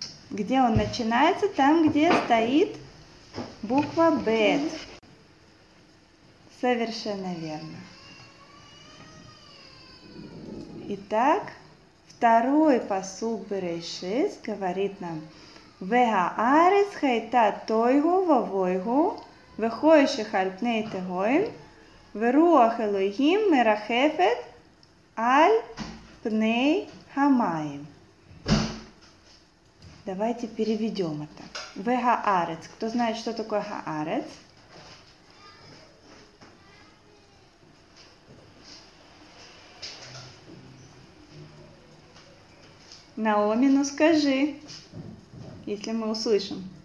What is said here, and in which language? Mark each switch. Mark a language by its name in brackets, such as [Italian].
[Russian] Где он начинается? Там, где стоит буква Бет. Совершенно верно. Итак, второй пасук Берейшис говорит нам: [Hebrew] והארץ הייתה תוהו ובוהו, וחושך על פני תהום, ורוח אלוהים מרחפת על פני המים. [Russian] Давайте переведем это. Вегаарец. Кто знает, что такое гаарец? Наоми, ну скажи, если мы услышим.